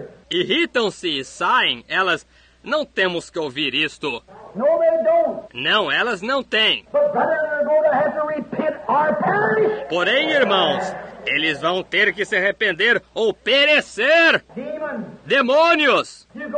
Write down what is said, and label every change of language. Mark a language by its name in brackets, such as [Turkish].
[Portuguese] Irritam-se e saem. Elas, não temos que ouvir isto. [English] No, they don't. [Portuguese] Não, elas não têm. [English] But brother, they're going to have to repent or perish. [Portuguese] Porém, irmãos, eles vão ter que se arrepender ou perecer. Demônios!